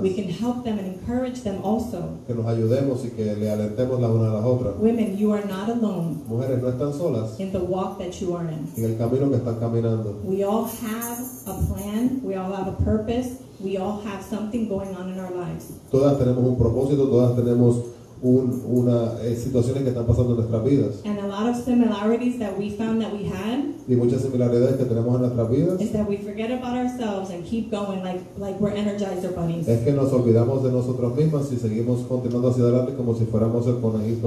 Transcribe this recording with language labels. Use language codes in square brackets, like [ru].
[en] We can help them and encourage them also. [es] Que nos ayudemos y que le alentemos las unas a las otras. [en] Women, you are not alone. [es] Mujeres, no están solas. [en] In the walk that you are in. [es] En el camino que están caminando. [en] We all have a plan. We all have a purpose. We all have something going on in our lives. [es] Todas tenemos un propósito. Todas tenemos situaciones que están pasando en nuestras vidas. [en] And a lot of similarities that we found that we had. [es] Y muchas similaridades que tenemos en nuestras vidas. [en] Is that we forget about ourselves and keep going like we're Energizer bunnies. [es] Es que nos olvidamos de nosotros mismos y seguimos continuando hacia adelante como si fuéramos el conejito.